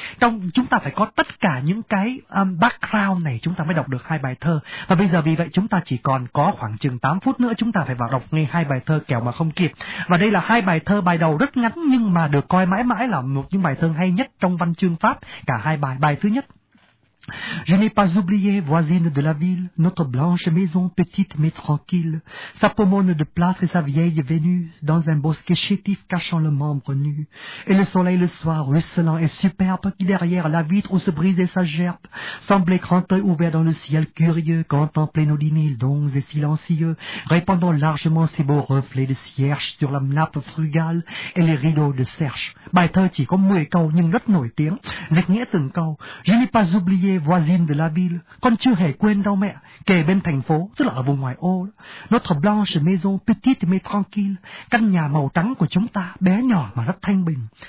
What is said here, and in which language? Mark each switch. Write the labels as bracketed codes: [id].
[vi] Trong chúng ta phải có tất cả những cái background này chúng ta mới đọc được hai bài thơ. Và bây giờ vì vậy chúng ta chỉ còn có khoảng chừng 8 phút nữa chúng ta phải vào đọc ngay hai bài thơ kẻo mà không kịp. Và đây là hai bài thơ, bài đầu rất ngắn nhưng mà được coi mãi mãi là một những bài thơ hay nhất trong văn chương Pháp. Cả hai bài, bài thứ nhất: [fr] Je n'ai pas oublié, voisine de la ville, notre blanche maison petite mais tranquille, sa pomone de plâtre et sa vieille venue, dans un bosquet chétif cachant le membre nu, et le soleil le soir ruisselant et superbe, qui derrière la vitre où se brisait sa gerbe, semblait grand œil ouvert dans le ciel curieux, contemplait nos 10 000 dons et silencieux, répandant largement ses beaux reflets de cierge sur la nappe frugale et les rideaux de serge. [vi] Bài thơ chỉ có 10 câu nhưng rất nổi tiếng, dịch nghĩa từng câu. [fr] Je n'ai pas oublié, voisine de la ville, [vi] con chưa hề quên đâu mẹ, kề bên thành phố, tức là ở vùng ngoại ô. [fr] Notre blanche maison petite mais tranquille, [vi] căn nhà màu trắng của chúng ta bé nhỏ mà rất thanh bình.